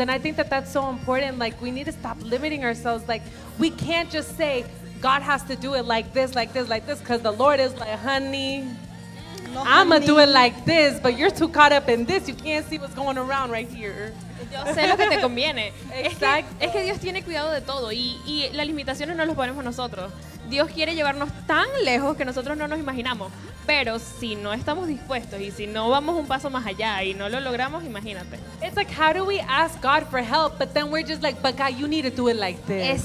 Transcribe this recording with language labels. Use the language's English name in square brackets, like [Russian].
[English] And I think that that's so important. Like, we need to stop limiting ourselves. Like, we can't just say God has to do it like this, because the Lord is like, honey, I'm going to do it like this, but you're too caught up in this. You can't see what's going around right here. [Spanish] Yo sé lo que te conviene. Exacto. Es que Dios tiene cuidado de todo y las limitaciones no las ponemos nosotros. Dios quiere llevarnos tan lejos que nosotros no nos imaginamos. Pero si no estamos dispuestos y si no vamos un paso más allá y no lo logramos, imagínate. [English] It's like, how do we ask God for help, but then we're just like, but God, you need to do it like this.